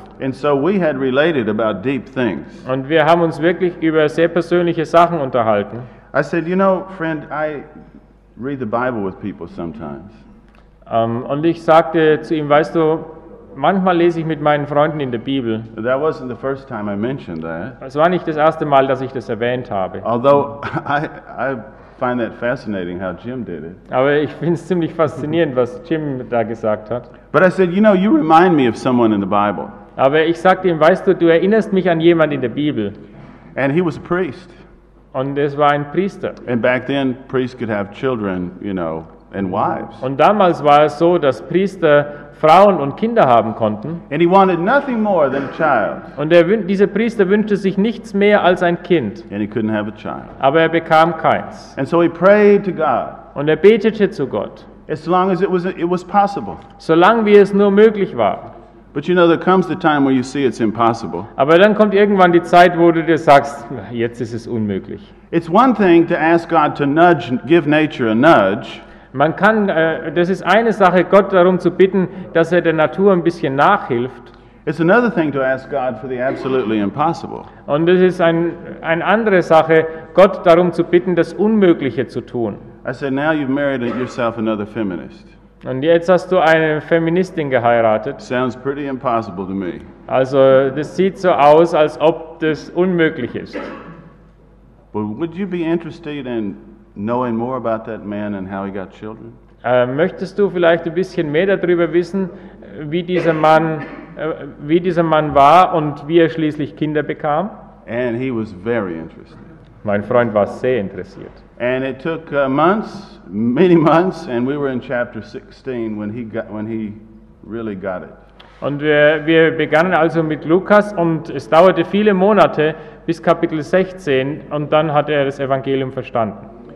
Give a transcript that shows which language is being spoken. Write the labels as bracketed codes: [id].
[en] And so we had related about deep things. [de] Und wir haben uns wirklich über sehr persönliche Sachen unterhalten. [en] I said, you know, friend, I read the Bible with people sometimes. [de] Und ich sagte zu ihm, weißt du, manchmal lese ich mit meinen Freunden in der Bibel. [en] That wasn't the first time I mentioned that. [de] Es war nicht das erste Mal, dass ich das erwähnt habe. [en] Although I find that fascinating how Jim did it. [de] Aber ich finde es ziemlich faszinierend, was Jim da gesagt hat. [en] But I said, you know, you remind me of someone in the Bible. [de] Aber ich sagte ihm, weißt du, du erinnerst mich an jemand in der Bibel. [en] And he was a priest. [de] Und es war ein Priester. [en] And back then, priests could have children, you know. And wives. [de] Und damals war es so, dass Priester Frauen und Kinder haben konnten. [en] And he wanted nothing more than a child. [de] Und dieser Priester wünschte sich nichts mehr als ein Kind. [en] And he couldn't have a child. [de] Aber er bekam keins. [en] And so he prayed to God. [de] Und er betete zu Gott. [en] As long as it was possible. [de] Solange wie es nur möglich war. [en] But you know, there comes the time where you see it's impossible. [de] Aber dann kommt irgendwann die Zeit, wo du dir sagst, jetzt ist es unmöglich. [en] It's one thing to ask God to give nature a nudge. [de] Man kann, das ist eine Sache, Gott darum zu bitten, dass er der Natur ein bisschen nachhilft. [en] It's another thing to ask God for the absolutely impossible. [de] Und es ist eine andere Sache, Gott darum zu bitten, das Unmögliche zu tun. [en] I said, now you've married yourself another feminist. [de] Und jetzt hast du eine Feministin geheiratet. [en] Sounds pretty impossible to me. [de] Also das sieht so aus, als ob das unmöglich ist. [en] But would you be interested in knowing more about that man and how he got children? [de] Möchtest du vielleicht ein bisschen mehr darüber wissen, wie dieser Mann war und wie er schließlich Kinder bekam? [en] And he was very interested. [de] Mein Freund war sehr interessiert. [en] And it took months, many months, and we were in chapter 16 when he really got it. [de] Und wir begannen also mit Lukas und es dauerte viele Monate bis Kapitel 16 und dann hat er das Evangelium verstanden.